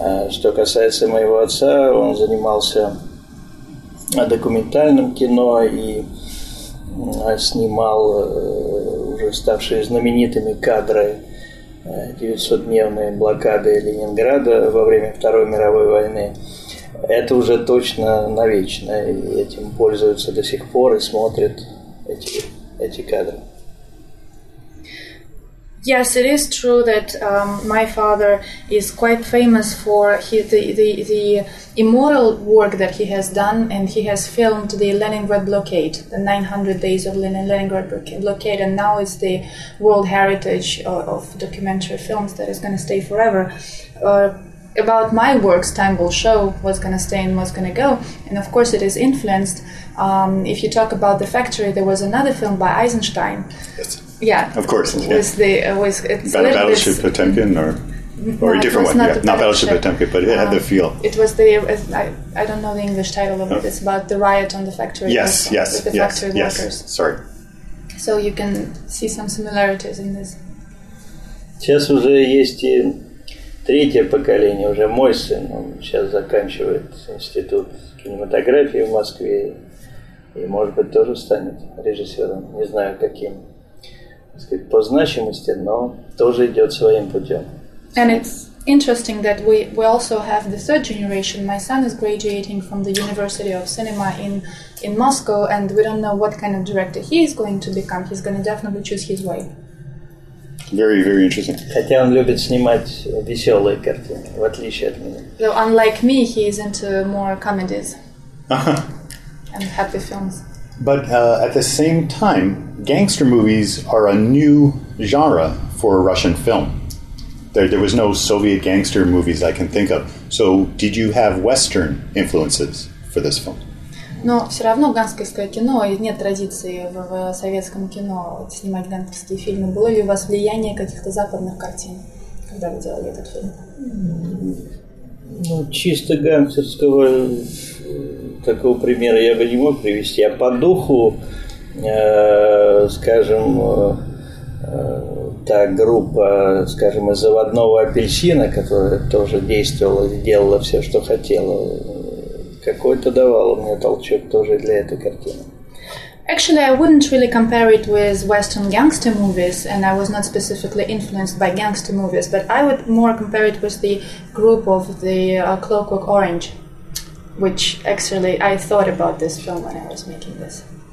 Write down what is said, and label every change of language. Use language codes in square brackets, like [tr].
[ru] Что касается моего отца, он занимался документальным кино и снимал уже ставшие знаменитыми кадры 900-дневной блокады Ленинграда во время Второй мировой войны. Это уже точно навечно, и этим пользуются до сих пор и смотрят эти кадры. [en] Yes, it is true that my father is quite famous for the immoral work that he has done, and he has filmed the Leningrad blockade, the 900 days of Leningrad blockade, and now it's the world heritage of documentary films that is going to stay forever. About my works, time will show what's going to stay and what's going to go, and of course it is influenced. If you talk about The Factory, there was another film by Eisenstein. Yes. Yeah, of course. Yeah. Battleship Potemkin, or no, a different one. Not, yeah, not Battleship Potemkin, but it had the feel. It was the I don't know the English title of it. It's about the riot on the factory. Yes, restaurant. Yes, with the yes, factory yes. Workers. Sorry. So you can see some similarities in this. [ru] Сейчас уже есть и третье поколение. Уже мой сын, он сейчас заканчивает институт кинематографии в Москве, и может быть тоже станет режиссером. Не знаю каким. По значимости, но тоже идет своим путем. [en] And it's interesting that we also have the third generation. My son is graduating from the University of Cinema in Moscow, and we don't know what kind of director he is going to become. He's going to definitely choose his way. Very, very interesting. [ru] Хотя он любит снимать веселые картины, в отличие от меня. [en] So unlike me, he is into more comedies and happy films. But at the same time, gangster movies are a new genre for Russian film. There was no Soviet gangster movies I can think of. So did you have Western influences for this film? [ru] Но все равно гангстерское кино, и нет традиции в советском кино снимать гангстерские фильмы. Было ли у вас влияние каких-то западных картин, когда вы делали этот фильм? Ну, чисто гангстерского такого примера я бы не мог привести. А по духу, скажем, та группа, скажем, из «Заводного апельсина», которая тоже действовала, делала все, что хотела, какой-то давала мне толчок тоже для этой картины. [en] Actually, I wouldn't really compare it with Western gangster movies, and I was not specifically influenced by gangster movies, but I would more compare it with the group of the Clockwork Orange, which actually I thought about this film when I was making this.